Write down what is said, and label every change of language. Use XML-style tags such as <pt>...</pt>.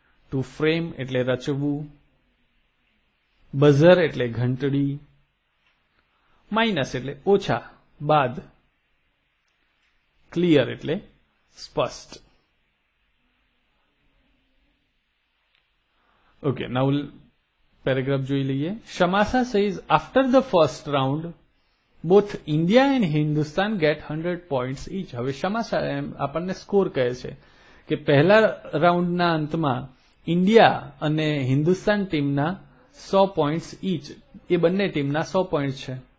<gu>To frame એટલે રચવું. Buzzer એટલે ઘંટડી. Minus એટલે ઓછા, બાદ. Clear એટલે સ્પષ્ટ.</gu> <en>Okay, now paragraph</en> <gu>જોઈ લઈએ.</gu> <en>Shamasa says, after the first round, both India and Hindustan get 100 point each.</en> <gu>હવે શમાં આપણને સ્કોર કહે છે કે પહેલા રાઉન્ડના અંતમાં ઇન્ડિયા અને હિન્દુસ્તાન ટીમના 100 પોઈન્ટ ઇચ, એ બંને ટીમના 100 પોઈન્ટ છે.</gu>